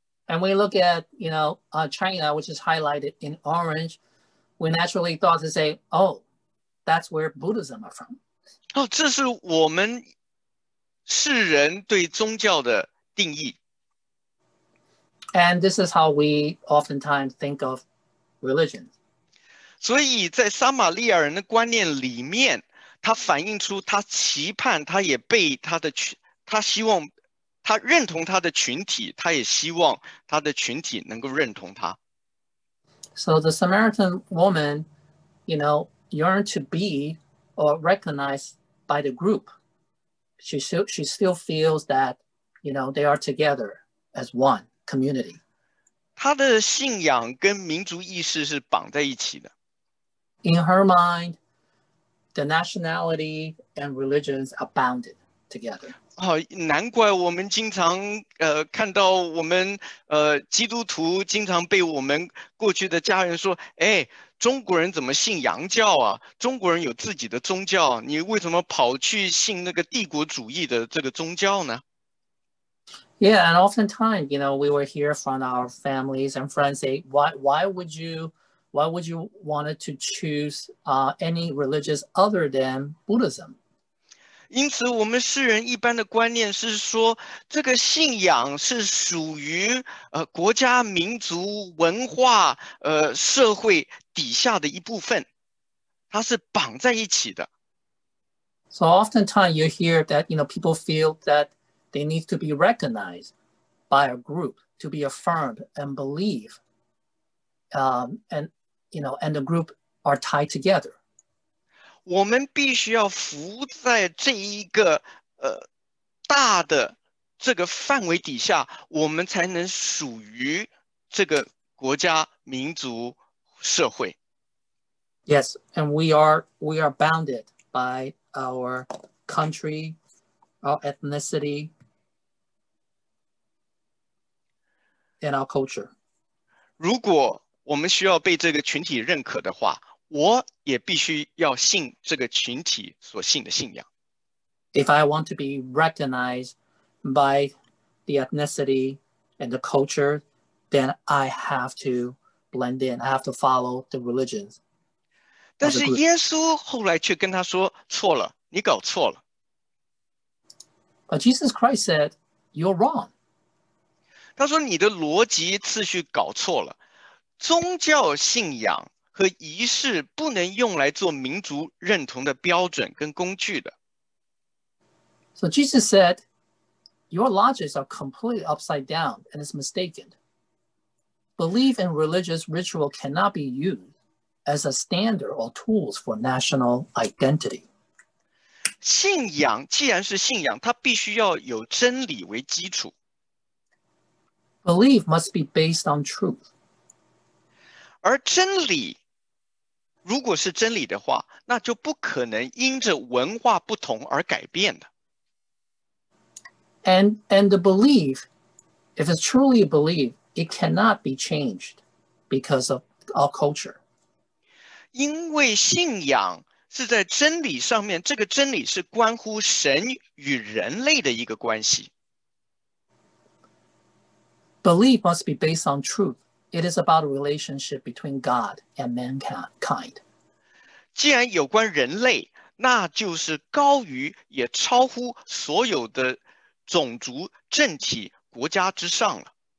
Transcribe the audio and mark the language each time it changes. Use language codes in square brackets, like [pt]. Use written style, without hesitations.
[en] And we look at, you know, China, which is highlighted in orange, we naturally thought to say, oh, that's where Buddhism are from. [zh] 哦，这是我们世人对宗教的定义。 [en] And this is how we oftentimes think of religion. [zh] 所以在撒玛利亚人的观念里面，他反映出他期盼，他也被他的群，他希望，他认同他的群体，他也希望他的群体能够认同他。 [en] So the Samaritan woman, you know, yearned to be or recognized by the group. She still feels that, you know, they are together as one community. [zh] 他的信仰跟民族意识是绑在一起的。 [en] In her mind, the nationality and religions are bounded together. [zh] 难怪我们经常看到我们基督徒经常被我们过去的家人说，哎，中国人怎么信洋教啊？中国人有自己的宗教，你为什么跑去信那个帝国主义的这个宗教呢？ [en] Yeah, and oftentimes, you know, we were here from our families and friends say, why would you want to choose any religious other than Buddhism? [zh] 因此我们世人一般的观念是说这个信仰是属于国家民族文化社会底下的一部分，它是绑在一起的。 [en] So oftentimes you hear that, you know, people feel that they need to be recognized by a group to be affirmed and believe, andYou know, and the group are tied together. [zh] 我们必须要服在这一个大的这个范围底下，我们才能属于这个国家、民族、社会。 [en] Yes, and we are bounded by our country, our ethnicity, and our culture. [zh] 如果我们需要被这个群体认可的话，我也必须要信这个群体所信的信仰。 [en] If I want to be recognized by the ethnicity and the culture, then I have to blend in. I have to follow the religions. [zh] 但是耶稣后来却跟他说：“错了，你搞错了。” [en] But Jesus Christ said, "You're wrong." [zh] 他说：“你的逻辑次序搞错了。” 宗教信仰和仪式不能用来做民族认同的标准跟工具的。 [en] So Jesus said, your logics are completely upside down and it's mistaken. Belief and religious ritual cannot be used as a standard or tools for national identity. [zh] 信仰既然是信仰，它必须要有真理为基础。 [en] Belief must be based on truth. [zh] 而真理，如果是真理的话，那就不可能因着文化不同而改变的。 [en] And the belief, if it's truly a belief, it cannot be changed because of our culture. [zh] 因为信仰是在真理上面，这个真理是关乎神与人类的一个关系。 [en] Belief must be based on truth. It is about a relationship between God and mankind. [zh] 既然有关人类，那就是高于也超乎所有的种族、政体、国家之上了。